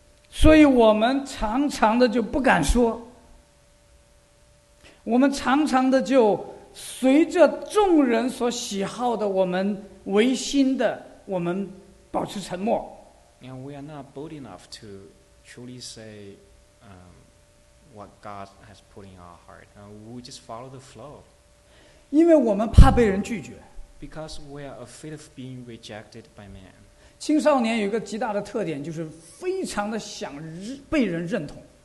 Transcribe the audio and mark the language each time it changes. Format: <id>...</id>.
<zh>所以我们常常的就不敢说，我们常常的就随着众人所喜好的，我们违心的，我们保持沉默。</zh> <en>And we are not bold enough to truly say what God has put in our heart. We just follow the flow.</en> <zh>因为我们怕被人拒绝。</zh> <en>Because we are afraid of being rejected by man.</en> <zh>青少年有一个极大的特点，就是非常的想被人认同。</zh>